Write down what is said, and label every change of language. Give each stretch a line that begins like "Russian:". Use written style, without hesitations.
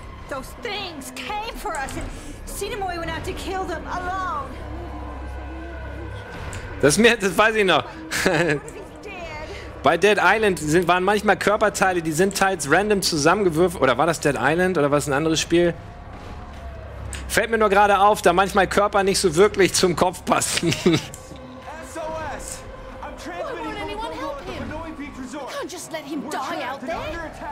English: Those things came for us and Sinemoi went out to kill them alone.
German: Das weiß ich noch. Bei Dead Island waren manchmal Körperteile, die sind teils random zusammengewürfelt. Oder war das Dead Island oder war es ein anderes Spiel? Fällt mir nur gerade auf, da manchmal Körper nicht so wirklich zum Kopf passen.
English: SOS! I'm transmitting from the Benoit Peak Resort. You can't just let him die out there.